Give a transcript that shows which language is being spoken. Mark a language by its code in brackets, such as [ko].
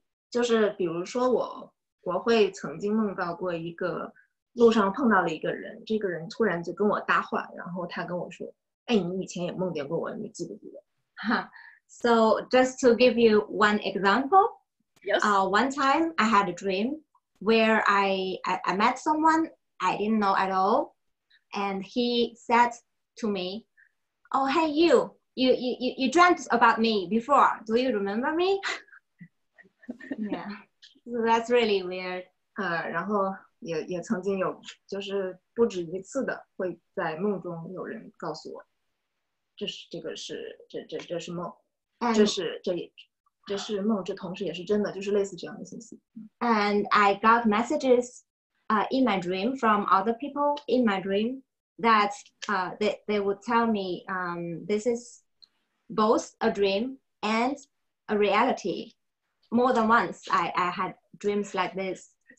[zh] 就是比如说我会曾经梦到过一个路上碰到了一个人，这个人突然就跟我搭话，然后他跟我说，哎，你以前也梦见过我，你记不记得？ [en] So just to give you one example, yes. One time I had a dream where I met someone I didn't know at all, and he said to me, oh, hey, you dreamt about me before. Do you remember me? Yeah, so that's really weird. [zh] 然后也曾经有就是不止一次的会在梦中有人告诉我这是梦，这是梦，这同时也是真的，就是类似这样的信息。 [en] And I got messages in my dream from other people in my dream that they would tell me this is both a dream and a reality. More than once I had dreams like this.